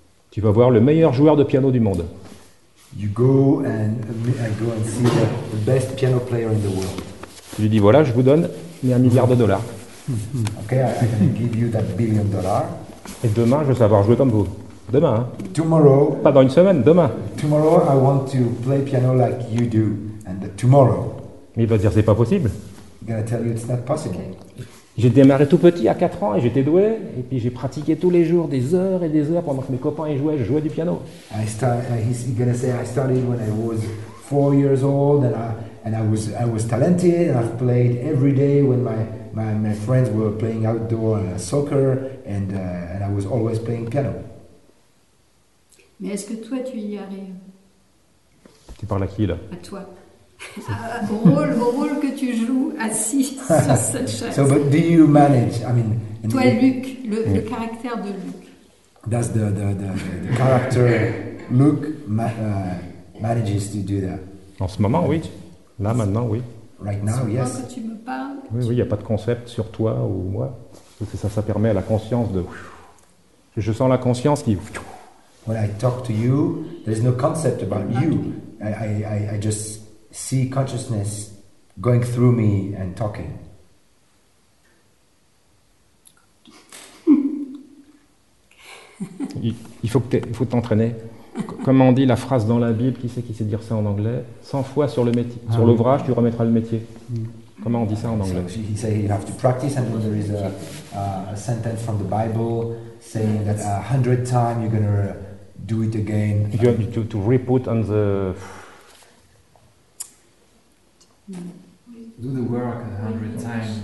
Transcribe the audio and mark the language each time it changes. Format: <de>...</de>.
<fr>Tu vas voir le meilleur joueur de piano du monde.</fr> <en>You go and see the best piano player in the world.</en> <fr>Tu lui dis voilà, je vous donne mes $1 billion.</fr> <en>Okay, I can give you that $1 billion.</en> <fr>Et demain, je veux savoir jouer comme vous. Demain. Hein.</fr> <en>Tomorrow.</en> <fr>Pas dans une semaine, demain.</fr> <en>Tomorrow, I want to play piano like you do, and tomorrow.</en> <fr>Mais il va dire c'est pas possible.</fr> <en>I'm gonna tell you it's not possible.</en> <fr>J'ai démarré tout petit à 4 ans et j'étais doué. Et puis j'ai pratiqué tous les jours des heures et des heures pendant que mes copains jouaient. Je jouais du piano.</fr> <en>He's gonna say I started when I was 4 years old and I was talented and I've played every day when my friends were playing outdoor soccer and I was always playing piano.</en> <fr>Mais est-ce que toi tu y arrives? Tu parles à qui là? À toi. Au rôle que tu joues assis sur cette chaise.</fr> <en>So, but do you manage? I mean,</en> <fr>toi, Luc, le caractère de Luc.</fr> <en>That's the character Luc manages to do that.</en> <fr>En ce moment, oui. Là, maintenant, oui.</fr> <en>Right now, yes.</en> <fr>Quand tu me parles. Oui, il n'y a pas de concept sur toi ou moi. Parce que ça permet à la conscience de. Je sens la conscience qui.</fr> <en>When I talk to you, there's no concept about you. I just see consciousness going through me and talking.</en> <fr>Il faut t'entraîner. Comme on dit la phrase dans la Bible, qui sait dire ça en anglais? 100 fois sur le métier, sur l'ouvrage, tu remettras le métier. Mm. Comment on dit ça en anglais?</fr> <en>So he said you have to practice, and then there is a sentence from the Bible saying that 100 times you're gonna do it again. You have to re-put on the. Do the work 100 times.</en>